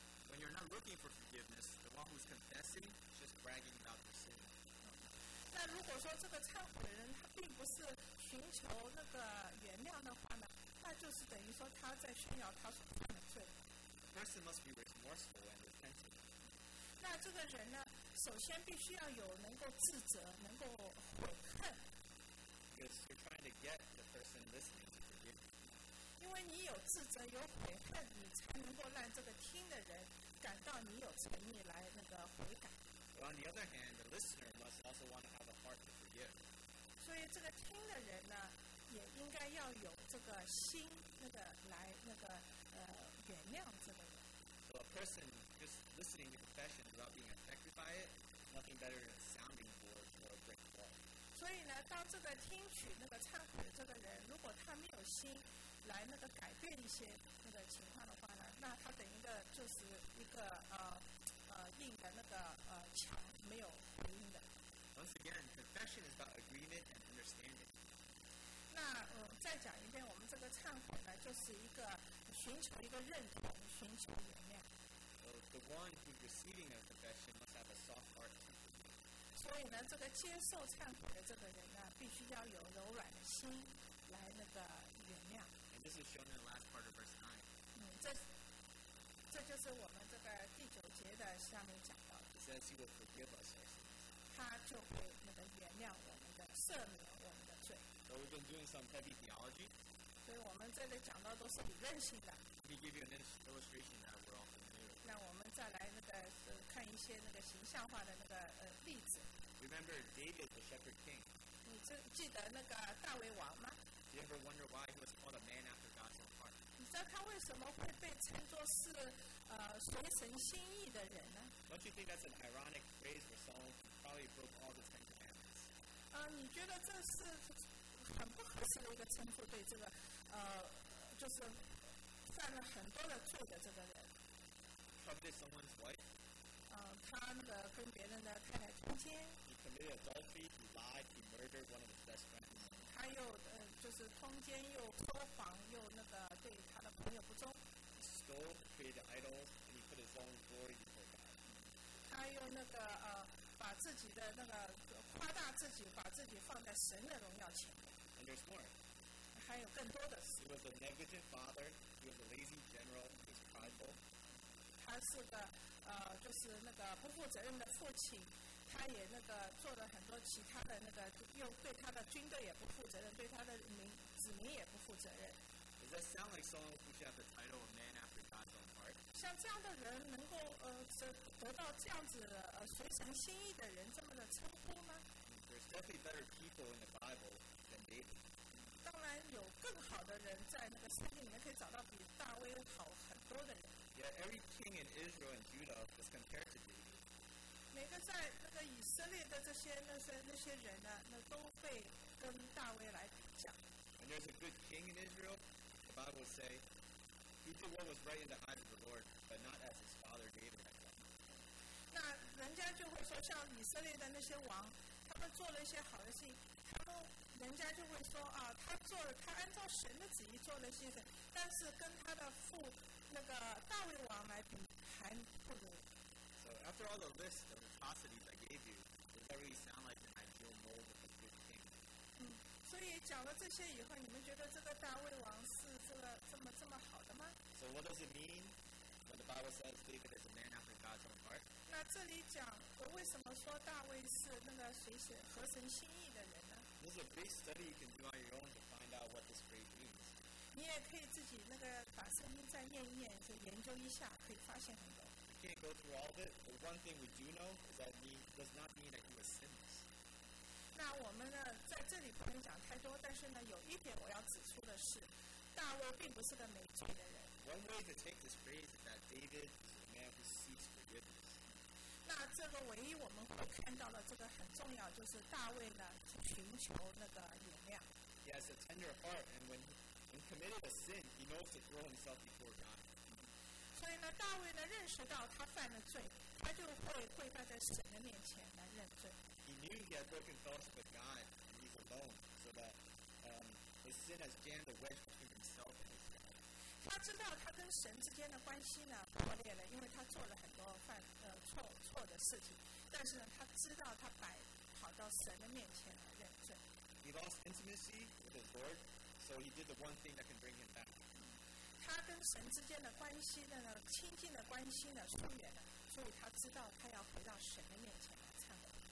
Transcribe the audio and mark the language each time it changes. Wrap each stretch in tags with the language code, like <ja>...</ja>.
<en>When you're not looking for forgiveness, the one who's confessing is just bragging about their sin.</en> <zh>那如果说这个忏悔人他并不是寻求那个原谅的话呢，那就是等于说他在炫耀他所犯的罪。</zh> <en>The person must be remorseful and repentant.</en> <zh>那这个人呢，首先必须要有能够自责、能够悔恨。</zh> <en>Because you're trying to get the person listening to forgive you.</en> <zh>因为你有自责、有悔恨，你才能够让这个听的人感到你有诚意来那个悔改。</zh> <en>Well, on the other hand, the listener must also want to have a heart to forgive.</en> <zh>所以这个听的人呢，也应该要有这个心，那个来那个原谅这个人。</zh> <en>Well, a person just listening to confession without being affected by it, nothing better than sounding board or a brick wall.</en> <zh>所以呢，当这个听取那个忏悔的这个人，如果他没有心。来那个改变一些那个情况的话呢，那他等于的就是一个硬的那个墙没有回应的。</zh> <en>Once again, confession is about agreement and understanding.</en> <zh>那再讲一遍，我们这个忏悔呢，就是一个寻求一个认同，寻求原谅。</zh> <en>So the one who's receiving a confession must have a soft heart.</en> <zh>所以呢，这个接受忏悔的这个人呢，必须要有柔软的心来那个原谅。</zh> <en>This is shown in the last part of verse 9.</en> <zh>这就是我们这个第九节的下面讲到的。 It says he will forgive us our sins. 他就会那个原谅我们个 sermon 我们的罪。</zh> <en>So we've been doing some heavy theology.</en> <zh>所以我们这里讲到都是理论性的。</zh> <en>Let me give you an illustration that we're all familiar with.</en> <zh>那我们再来那个看一些那个形象化的那个例子。</zh> <en>Remember David the shepherd king.</en> <zh>你记得那个大卫王吗？</zh> <en>Do you ever wonder why he was called a man after God's own heart?</en> <zh>你知道他为什么会被称作是随神心意的人呢？</zh> <en>Don't you think that's an ironic phrase for someone who probably broke all the Ten Commandments?</en> <zh>你觉得这是很不合适的一个称呼，对这个就是犯了很多的罪的这个人。</zh> <en>Covet someone's wife?</en> <zh>他那个跟别人的太太通奸。</zh> <en>He committed adultery. He lied. He murdered one of his best friends.</en> <zh>他又就是通奸，又偷房，又那个对他的朋友不忠。</zh> <en>He stole, created idols, and he put his own glory before God.</en> <zh>他又那个把自己的那个夸大自己，把自己放在神的荣耀前面。</zh> <en>And there's more.</en> <zh>还有更多的事。</zh> <en>He was a negligent father. He was a lazy general. He was prideful.</en> <zh>他是个就是那个不负责任的父亲。他也那个做了很多其他的那个，又对他的军队也不负责任，对他的子民也不负责任。</zh> <en>Does that sound like someone who should have the title of man after God's own heart?</en> <zh>像这样的人能够得到这样子随神心意的人这么的称呼吗？</zh> <en>There's definitely better people in the Bible than David.</en> <zh>当然有更好的人在那个圣经里面可以找到比大卫好很多的人。</zh> <en>Yet every king in Israel and Judah is compared to David.</en> <zh>每个在那个以色列的那些人呢，那都被跟大卫来比较。</zh> <en>And there's a good king in Israel. The Bible say he did what was right in the eyes of the Lord, but not as his father David had done.</en> <zh>那人家就会说，像以色列的那些王，他们做了一些好的事情，他们人家就会说啊，他做了，他按照神的旨意做了些事，但是跟他的父那个大卫王来比，还不如。</zh> <en>So after all the list of atrocities I gave you, does that really sound like an ideal mold of a good king?</en> <zh>所以讲了这些以后，你们觉得这个大卫王是这么好的吗？</zh> <en>So what does it mean when the Bible says David is a man after God's own heart?</en> <zh>那这里讲，我为什么说大卫是那个合神心意的人呢？</zh> <en>There's a big study you can do on your own to find out what this phrase means.</en> <zh>你也可以自己那个把圣经再念一念，就研究一下，可以发现很多。</zh> <en>We can't go through all of it, but one thing we do know is that he does not mean that he was sinless.</en> <zh>那我们呢，在这里不能讲太多，但是呢，有一点我要指出的是，大卫并不是个没罪的人。</zh> <en>One way to take this phrase is that David is a man who seeks forgiveness.</en> <zh>那这个唯一我们会看到的这个很重要，就是大卫呢去寻求那个原谅。</zh> <en>He has a tender heart, and when committed a sin, he knows to throw himself before God.</en> <zh>所以呢，大卫呢认识到他犯了罪，他就会跪拜在神的面前来认罪。</zh> <en>He knew he had broken fellowship with God, and he's alone, so that his sin has jammed a wedge between himself and his God.</en> <zh>他知道他跟神之间的关系呢破裂了，因为他做了很多错的事情。但是呢，他知道他跑到神的面前来认罪。</zh> <en>He lost intimacy with his Lord, so he did the one thing that can bring him back.</en> <zh>他跟神之间的关系呢，亲近的关系呢，疏远了，所以他知道他要回到神的面前来忏悔。</zh>